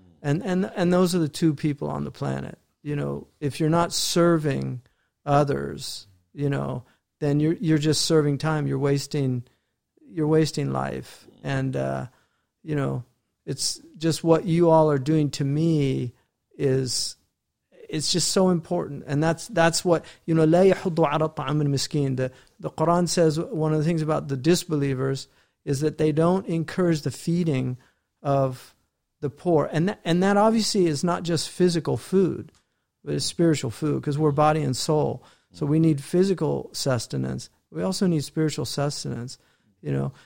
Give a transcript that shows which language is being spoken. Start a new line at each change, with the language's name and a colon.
English: And those are the two people on the planet. You know, if you're not serving others, you know, then you're just serving time. You're wasting life. And you know, it's just what you all are doing to me is, it's just so important. And that's what, you know,
Arabic: لا يحض على طعام المسكين.
English: The Quran says one of the things about the disbelievers is that they don't encourage the feeding of the poor. And that obviously is not just physical food, but it's spiritual food, because we're body and soul. So we need physical sustenance. We also need spiritual sustenance, you know.